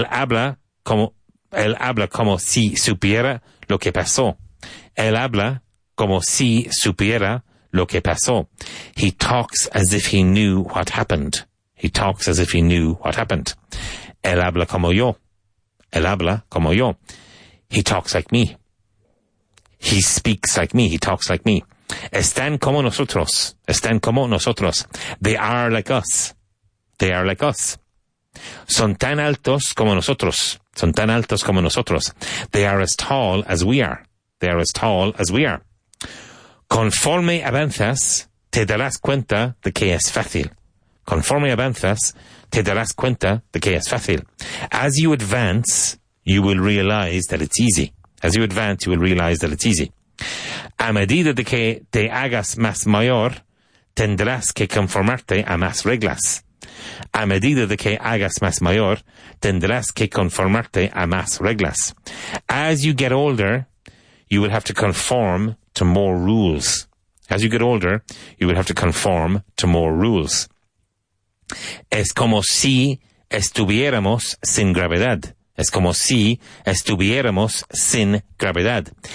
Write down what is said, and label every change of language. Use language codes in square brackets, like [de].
[es] Él habla como si supiera lo que pasó. Él habla como si supiera lo que pasó. [en] He talks as if he knew what happened. He talks as if he knew what happened. [es] Él habla como yo. Él habla como yo. [en] He talks like me. He speaks like me. He talks like me. [es] Están como nosotros. Están como nosotros. [en] They are like us. They are like us. [es] Son tan altos como nosotros. Son tan altos como nosotros. [en] They are as tall as we are. They are as tall as we are. [es] Conforme avanzas, te darás cuenta de que es fácil. Conforme avanzas, te darás cuenta de que es fácil. [en] As you advance, you will realize that it's easy. As you advance, you will realize that it's easy. [es] A medida de que te hagas más mayor, tendrás que conformarte a más reglas. A medida de que hagas más mayor, tendrás que conformarte a más reglas. [en] As you get older, you will have to conform to more rules. As you get older, you will have to conform to more rules. [es] Es como si estuviéramos sin gravedad. Es como si estuviéramos sin gravedad.